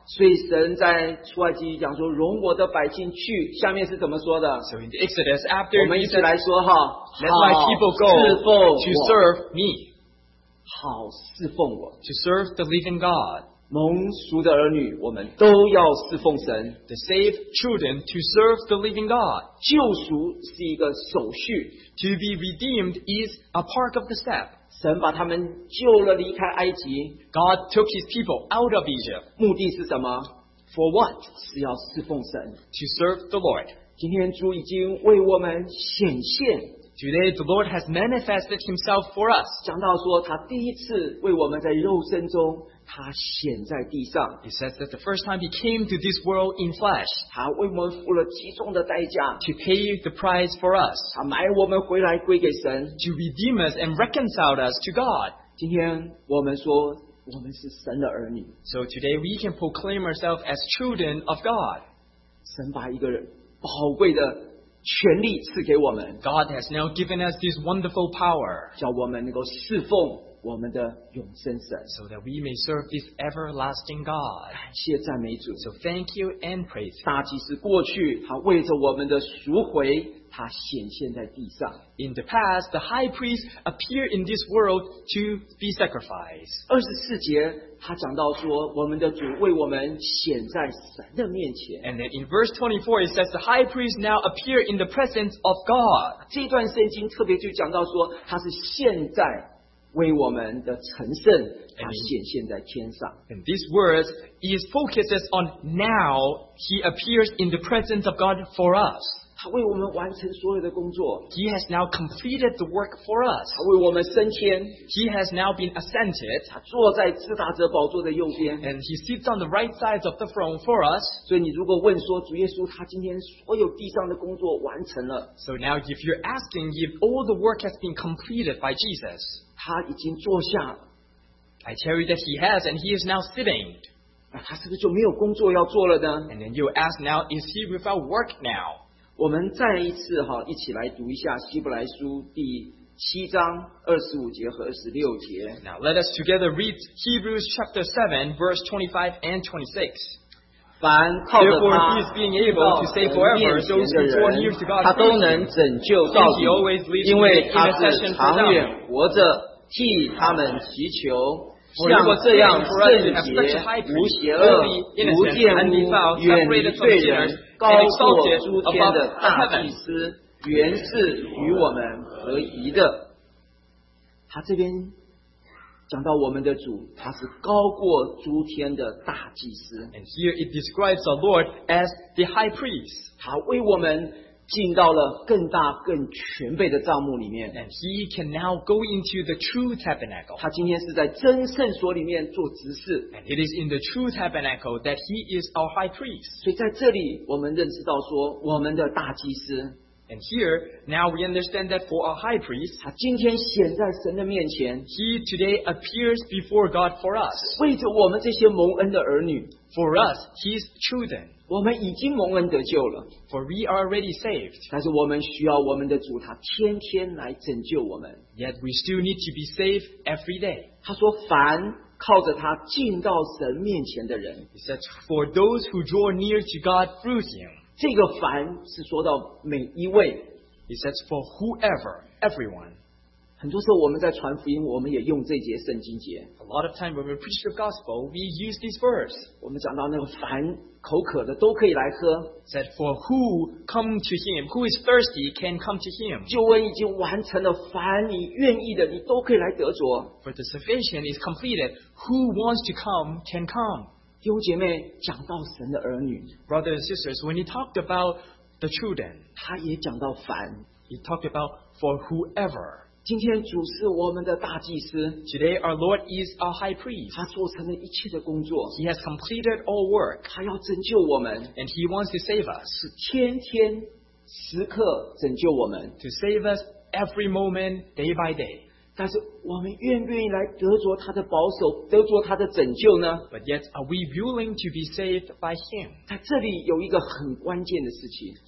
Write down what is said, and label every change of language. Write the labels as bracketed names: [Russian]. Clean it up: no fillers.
[Chinese] 所以神在出埃及讲说容我的百姓去，下面是怎么说的？ [English] So in the Exodus after, [Chinese] 我们一起来说哈。 [English] Let my people go to serve me. [Chinese] 好侍奉我。 [English] To serve the living God. [Chinese] 蒙赎的儿女，我们都要侍奉神。 [English] The saved children to serve the living God. [Chinese] 救赎是一个手续。 [English] To be redeemed is a part of the step. [Chinese] 神把他们救了离开埃及。 [English] God took his people out of Egypt. [Chinese] 目的是什么？ [English] For what? [Chinese] 是要侍奉神。 [English] To serve the Lord. [Chinese] 今天主已经为我们显现。 [English] Today the Lord has manifested himself for us. [Chinese] 讲到说他第一次为我们在肉身中他显在地上。 [English] He says that the first time he came to this world in flesh. [Chinese] 他为我们付了极重的代价。 [English] To pay the price for us. [Chinese] 他买我们回来归给神。 [English] To redeem us and reconcile us to God. [Chinese] 今天我们说我们是神的儿女。 [English] So today we can proclaim ourselves as children of God. [Chinese] 神把一个宝贵的权力赐给我们。 [English] God has now given us this wonderful power. [Chinese] 叫我们能够侍奉我们的永生神。 [English] So that we may serve this everlasting God. [Chinese] 感谢赞美主。 [English] So thank you and praise him. [Chinese] 大祭司过去，他为着我们的赎回，他显现在地上。 [English] In the past, the high priest appeared in this world to be sacrificed. [Chinese] 24节，他讲到说，我们的主为我们显在神的面前。 [English] And then in verse 24, it says the high priest now appeared in the presence of God. [Chinese] 这段圣经特别就讲到说，他是现在为我们的成圣，他显现在天上。 [English] And these words, he is focuses on now, he appears in the presence of God for us. [Chinese] 他为我们完成所有的工作。 [English] He has now completed the work for us. [Chinese] 他为我们升迁。 [English] He has now been ascended. [Chinese] 他坐在至大者宝座的右边。 [English] And he sits on the right side of the throne for us. [Chinese] 所以你如果问说，主耶稣他今天所有地上的工作完成了。 [English] So now if you're asking if all the work has been completed by Jesus, [Chinese] 他已经坐下了。 [English] I tell you that he has, and he is now sitting. [Chinese] 那他是不是就没有工作要做了呢？ [English] And then you ask now, is he without work now? [Chinese] 我们再一次哈，一起来读一下希伯来书第七章二十五节和二十六节。 [English] Now let us together read Hebrews chapter 7, verse 25 and 26. Therefore, he is being able to save forever those who draw near to God. [Chinese] 他都能拯救到底，因为他是长远活着，替他们祈求。像这样圣洁、无邪恶、无玷污、远离罪人、高过诸天的大祭司，原是与我们合宜的。他这边讲到我们的主，他是高过诸天的大祭司。 [English] And here it describes the Lord as the high priest. [Chinese] 他为我们进到了更大更全备的帐幕里面。 [English] And he can now go into the true tabernacle. [Chinese] 他今天是在真圣所里面做执事。 [English] And it is in the true tabernacle that he is our high priest. [Chinese] 所以在这里我们认识到说我们的大祭司。 [English] And here, now we understand that for our high priest, [Chinese] 他今天显在神的面前, [English] he today appears before God for us. [Chinese] 为着我们这些蒙恩的儿女, [English] for us, his children. [Chinese] 我们已经蒙恩得救了, [English] for we are already saved. [Chinese] 但是我们需要我们的主, 他天天来拯救我们。 [English] Yet we still need to be saved every day. [Chinese] 他说凡靠着他进到神面前的人, [English] he said, for those who draw near to God through him, [Chinese] 这个凡是说到每一位。 [English] He says for whoever, everyone. [Chinese] 很多时候我们在传福音，我们也用这节圣经节。 [English] A lot of time when we preach the gospel, we use this verse. [Chinese] 我们讲到那个凡口渴的都可以来喝。 [English] Said for who come to him, who is thirsty can come to him. [Chinese] 救恩已经完成了，凡你愿意的，你都可以来得着。 [English] For the salvation is completed, who wants to come can come. [Chinese] 弟兄姐妹，讲到神的儿女。 [English] Brothers and sisters, when he talked about the children. He talked about for whoever. Today, our Lord is our high priest. He has completed all work. And he wants to save us. [Chinese] 天天, 时刻拯救我们, [English] to save us every moment, day by day. [Chinese] 但是我们愿不愿意来得着他的保守，得着他的拯救呢？ [English] But yet, are we willing to be saved by Him? [Chinese] 在这里有一个很关键的事情。